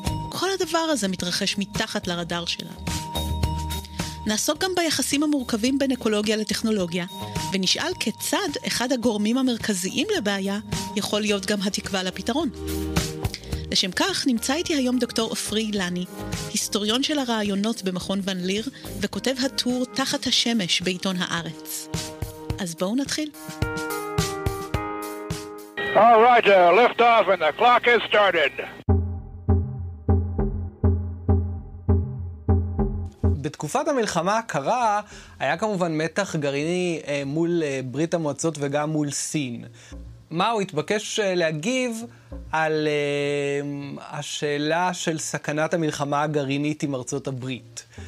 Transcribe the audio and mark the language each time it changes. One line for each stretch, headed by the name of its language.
Hebrew: כל הדבר הזה מתרחש מתחת לרדאר שלנו. נעסוק גם ביחסים המורכבים בין אקולוגיה לטכנולוגיה, ונשאל כיצד אחד הגורמים המרכזיים לבעיה יכול להיות גם התקווה לפתרון. לשם כך נמצא איתי היום דוקטור אופרי אילני, היסטוריון של הרעיונות במכון ון ליר, וכותב הטור תחת השמש בעיתון הארץ. אז בואו נתחיל.
English: All right, lift off and the clock has started.
Hebrew: בתקופת המלחמה הקרה היה כמובן מתח גרעיני מול ברית המועצות וגם מול סין. מאו התבקש להגיב על השאלה של סכנת המלחמה הגרעינית עם ארצות הברית.